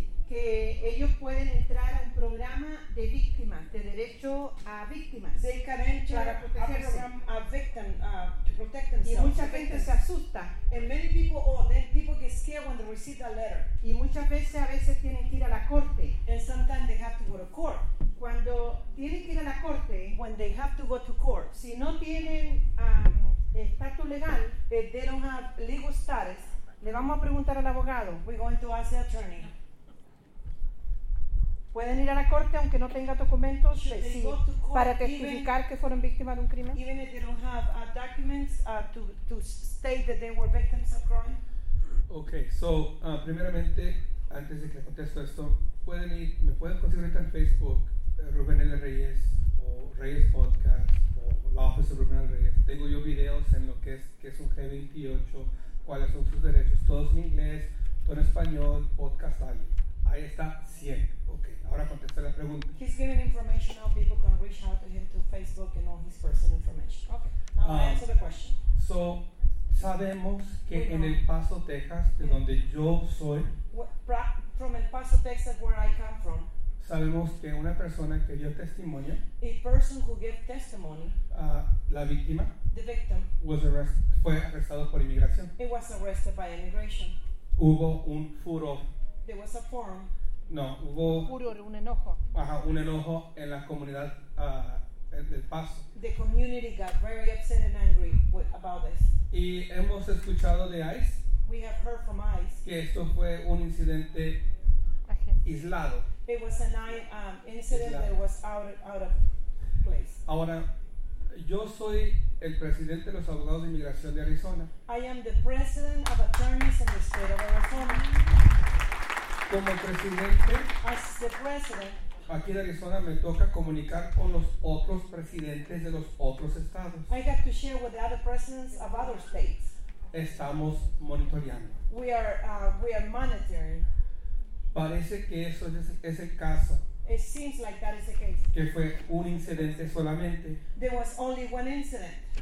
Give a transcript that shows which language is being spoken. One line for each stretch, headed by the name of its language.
Spanish: ellos pueden entrar a un programa de víctimas, de derecho a víctimas.
English: They can enter a victim to protect themselves.
Spanish: Y mucha gente se asusta.
English: And many people, then people get scared when they receive that letter.
Spanish: Y muchas veces, a veces tienen que ir a la corte.
English: And sometimes they have to go to court.
Spanish: Cuando tienen que ir a la corte,
English: when they have to go to court,
Spanish: si no tienen estatus legal,
English: if they don't have legal status,
Spanish: le vamos a preguntar al abogado.
English: We're going to ask the attorney.
Spanish: ¿Pueden ir a la corte aunque no tenga documentos?
English: Should they
Spanish: sí,
English: go to court
Spanish: para testificar
English: even,
Spanish: que fueron víctimas de un crimen.
English: Even if they don't have documents to state that they were victims of crime.
Spanish: Okay, so primeramente, antes de que conteste esto, pueden ir, me pueden conseguir en Facebook, Rubén L. Reyes o Reyes Podcast o la oficina de Rubén L. Reyes. Tengo yo videos en lo que es un G28, cuáles son sus derechos, todos en inglés, todo en español, podcast audio. Ahí está 100. Okay, ahora contesta la pregunta.
English: He's giving information how people can reach out to him to Facebook and all his personal information. Okay, now I answer the question.
Spanish: So, sabemos que en El Paso, Texas, de donde yo soy,
English: from El Paso, Texas, where I come from,
Spanish: sabemos que una persona que dio testimonio,
English: a person who gave testimony,
Spanish: la víctima,
English: the victim,
Spanish: fue arrestado por inmigración.
English: He was arrested by immigration.
Spanish: Hubo un furor.
English: There was a forum.
Spanish: No, hubo furor, un enojo. Ajá, un enojo en la comunidad del Paso.
English: The community got very upset and angry about this.
Spanish: Y hemos escuchado de ICE.
English: We have heard from ICE.
Spanish: Que esto fue un incidente aislado.
English: It was an incident that was out of place.
Spanish: Ahora, yo soy el presidente de los abogados de inmigración de Arizona.
English: I am the president of attorneys in the state of Arizona.
Spanish: Como presidente,
English: as the president,
Spanish: aquí en Arizona me toca comunicar con los otros presidentes de los otros estados.
English: I have to share with the other presidents of other states.
Spanish: Estamos monitoreando.
English: We are monitoring.
Spanish: Parece que eso es el caso.
English: It seems like that is the case.
Spanish: Que fue un incidente solamente.
English: There was only one incident.